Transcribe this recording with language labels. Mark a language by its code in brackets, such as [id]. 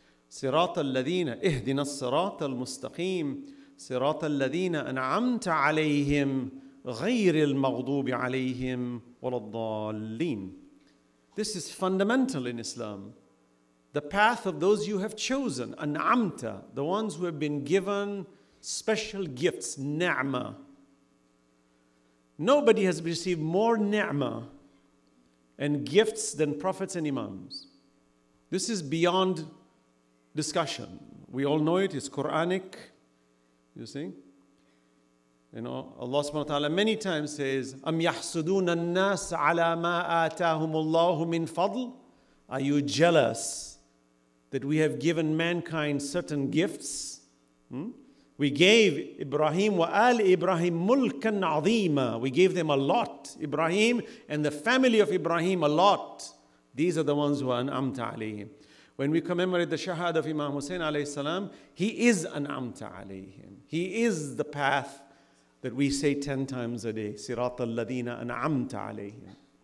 [ar] صراط الذين اهدنا الصراط المستقيم صراط الذين انعمت عليهم غير المغضوب عليهم ولا الضالين. [en] This is fundamental in Islam. The path of those you have chosen, انعمت, the ones who have been given special gifts, ni'ma. Nobody has received more ni'ma and gifts than prophets and imams. This is beyond discussion. We all know it. It's Quranic. You see? You know, Allah subhanahu wa ta'ala many times says, [ar] أَمْ يَحْسُدُونَ النَّاسَ عَلَى مَا آتَاهُمُ اللَّهُ مِنْ فَضْلِ. [en] Are you jealous that we have given mankind certain gifts? We gave Ibrahim [ar] وَآلِ إِبْرَاهِيمُ مُلْكًا عَظِيمًا. [en] We gave them a lot. Ibrahim and the family of Ibrahim a lot. These are the ones who are an'amta alayhim. When we commemorate the shahada of Imam Hussain alayhi salam, he is an'amta alayhim. He is the path that we say 10 times a day, sirat al-ladina an'amta alayhim.